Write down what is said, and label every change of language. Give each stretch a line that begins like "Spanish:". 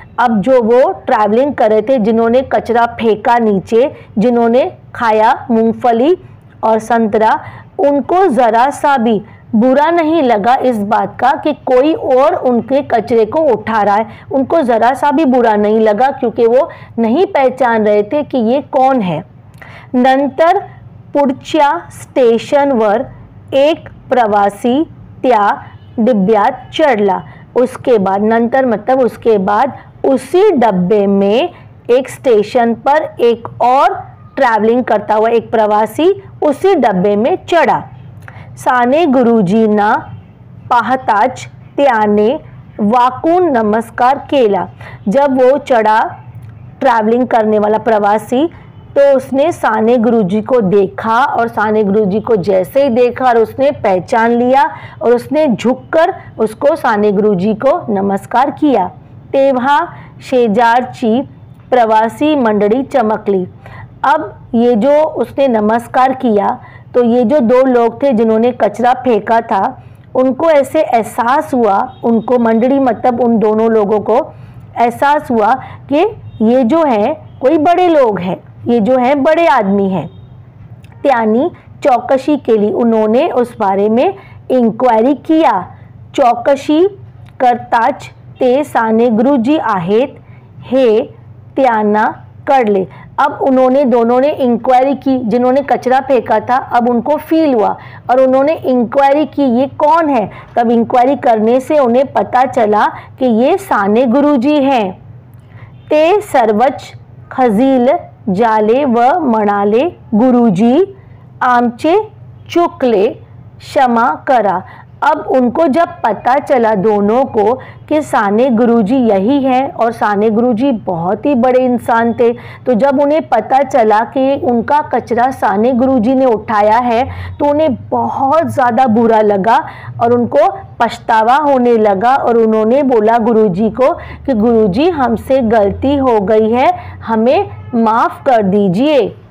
Hindi: अब जो वो ट्रैवलिंग कर रहे थे, जिन्होंने कचरा फेंका नीचे, जिन्होंने खाया मूंगफली और संतरा, उनको ज़रा सा भी बुरा नहीं लगा इस बात का कि कोई और उनके कचरे को उठा रहा है। उनको ज़रा सा भी बुरा नहीं लगा क्योंकि वो नहीं पहचान रहे थे कि ये कौन है।
Marathi: नंतर पुढच्या स्टेशनवर एक प्रवासी त्या डिब्यात चढ़ला।
Hindi: उसके बाद, नंतर मतलब उसके बाद, उसी डब्बे में एक स्टेशन पर एक और ट्रैवलिंग करता हुआ एक प्रवासी उसी डब्बे में चढ़ा।
Marathi: साने गुरुजी ना पाहताच त्याने वाकून नमस्कार केला।
Hindi: जब वो चढ़ा ट्रैवलिंग करने वाला प्रवासी, तो उसने साने गुरुजी को देखा और साने गुरुजी को जैसे ही देखा और उसने पहचान लिया और उसने झुककर उसको, साने गुरुजी को नमस्कार किया।
Marathi: तेवा शेजारची प्रवासी मंडली चमकली।
Hindi: अब ये जो उसने नमस्कार किया, तो ये जो दो लोग थे जिन्होंने कचरा फेंका था, उनको ऐसे एहसास हुआ, उनको मंडली मतलब उन दोनों लोगों को एहसास हुआ कि ये जो है कोई बड़े लोग हैं, ये जो हैं बड़े आदमी हैं।
Marathi: त्यानी चौकशी
Hindi: के लिए, उन्होंने उस बारे में इंक्वायरी किया।
Marathi: चौकशी करताच ते साने गुरुजी आहेत हे त्याना कळले।
Hindi: अब उन्होंने, दोनों ने इंक्वायरी की, जिन्होंने कचरा फेंका था, अब उनको फील हुआ और उन्होंने इंक्वायरी की ये कौन है। तब इंक्वायरी करने से उन्हें पता चला कि ये साने गुरुजी हैं।
Marathi: ते सर्वच खजील जाले व मनाले गुरुजी आमचे चुकले क्षमा करा।
Hindi: अब उनको जब पता चला दोनों को कि साने गुरुजी यही हैं और साने गुरुजी बहुत ही बड़े इंसान थे, तो जब उन्हें पता चला कि उनका कचरा साने गुरुजी ने उठाया है तो उन्हें बहुत ज़्यादा बुरा लगा और उनको पछतावा होने लगा और उन्होंने बोला गुरुजी को कि गुरुजी हमसे गलती हो गई है, हमें माफ़ कर दीजिए।